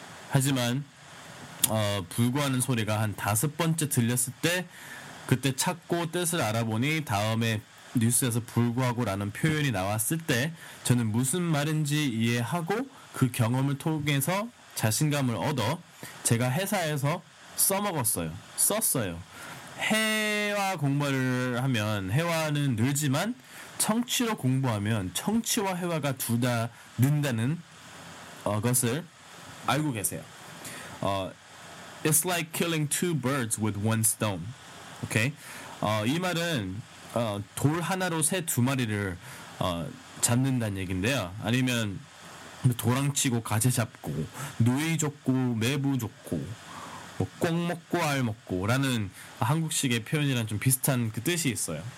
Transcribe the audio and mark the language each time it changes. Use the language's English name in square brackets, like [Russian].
[Korean] 하지만 불구하는 소리가 한 다섯 번째 들렸을 때 그때 찾고 뜻을 알아보니 다음에 뉴스에서 불구하고라는 표현이 나왔을 때 저는 무슨 말인지 이해하고 그 경험을 통해서 자신감을 얻어 제가 회사에서 썼어요. 회화 공부를 하면 회화는 늘지만 청취로 공부하면 청취와 회화가 둘 다 는다는 것을 알고 계세요. [English] It's like killing two birds with one stone. Okay. [Korean] 이 말은 돌 하나로 새 두 마리를 잡는다는 얘긴데요. 아니면 도랑 치고 가재 잡고 누이 좋고 매부 좋고 뭐 꽁 먹고 알 먹고라는 한국식의 표현이랑 좀 비슷한 그 뜻이 있어요.